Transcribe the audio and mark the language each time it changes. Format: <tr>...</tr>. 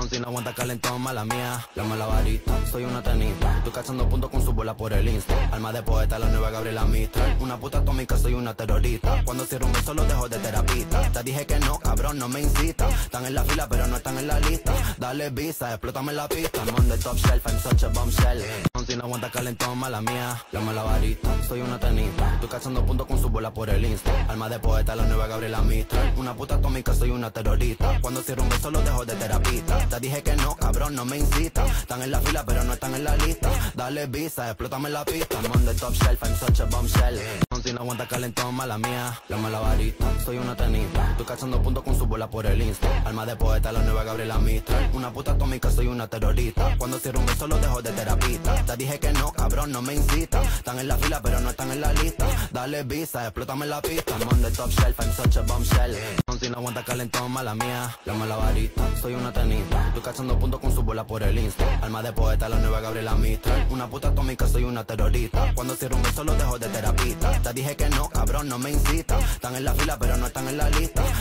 <es>Si no aguanta calentón, mala mía. La malabarista, soy una tenista. Estoy cazando puntos con su bola por el Insta. Alma de poeta, la nueva Gabriela Mistral. Una puta atómica, soy una terrorista. Cuando cierro un beso lo dejo de terapista. Te dije que no, cabrón, no me insista. Están en la fila, pero no están en la lista. Dale visa, explótame la pista.</es> <en>I'm on the top shelf, I'm such a bombshell.</en> <es>Si no aguanta calentón, mala mía. La malabarista, soy una tenista. Estoy cazando puntos con su bola por el Insta. Alma de poeta, la nueva Gabriela Mistral. Una puta atómica, soy una terrorista. Cuando cierro un beso lo dejo de terapista. Te dije que no, cabrón, no me insista. Están en la fila, pero no están en la lista. Dale visa, explótame la pista.</es> <en>I'm on the top shelf, I'm such a bombshell.</en> <es>Si no aguanta calentón, mala mía. La malabarista, soy una tenista. Estoy cazando puntos con su bola por el Insta. Alma de poeta, la nueva Gabriela Mistral. Una puta atómica, soy una terrorista. Cuando cierro un beso lo dejo de terapista. Te dije que no, cabrón, no me insista. Están en la fila, pero no están en la lista. Dale visa, explótame la pista.</es> <en>I'm on the top shelf, I'm such a bombshell.</en> <es>Si no aguanta calentón, mala mía. La malabarista, soy una tenista. Estoy cazando puntos con su bola por el Insta. Alma de poeta, la nueva Gabriela Mistral. Una puta atómica, soy una terrorista. Cuando cierro un beso lo dejo de terapista. Te dije que no, cabrón, no me insista. Están en la fila, pero no están en la lista.</es>